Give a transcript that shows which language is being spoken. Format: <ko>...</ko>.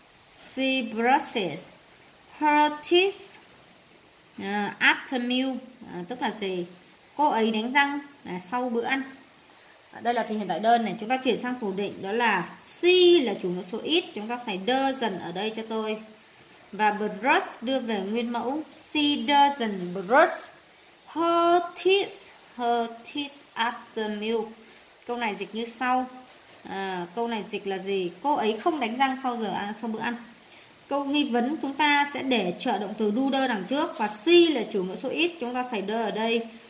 <en>She brushes her teeth after meal.</en> <vi>Tức là gì? Cô ấy đánh răng sau bữa ăn. Đây là thì hiện tại đơn này. Chúng ta chuyển sang phủ định, đó là she là chủ ngữ số ít, chúng ta xài doesn't ở đây cho tôi. Và brush đưa về nguyên mẫu.</vi> <en>She doesn't brush her teeth after meal.</en> <vi>Câu này dịch như sau. Câu này dịch là gì? Cô ấy không đánh răng sau giờ ăn, sau bữa ăn. Câu nghi vấn chúng ta sẽ để trợ động từ do đằng trước, và she là chủ ngữ số ít, chúng ta xài do ở đây.</vi>